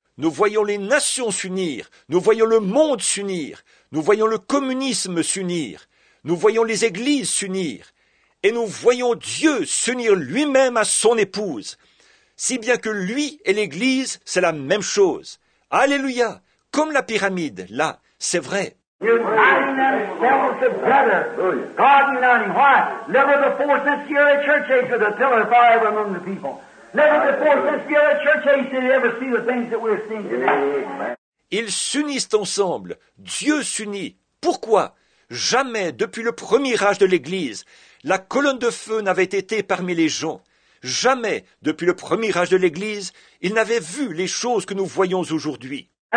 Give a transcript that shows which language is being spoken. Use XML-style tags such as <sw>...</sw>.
<fr>Nous voyons les nations s'unir, nous voyons le monde s'unir, nous voyons le communisme s'unir, nous voyons les églises s'unir, et nous voyons Dieu s'unir lui-même à son épouse. Si bien que lui et l'Église, c'est la même chose. Alléluia! Comme la pyramide, là, c'est vrai.</fr> <en>Uniting themselves together. God uniting. Why? Never before since the early church age was a pillar of fire among the people. Never before since the early church age did you ever see the things that we're seeing today.</en> <fr>Ils s'unissent ensemble. Dieu s'unit. Pourquoi? Jamais, depuis le premier âge de l'Église, la colonne de feu n'avait été parmi les gens. Jamais, depuis le premier âge de l'Église, il n'avait vu les choses que nous voyons aujourd'hui.</fr>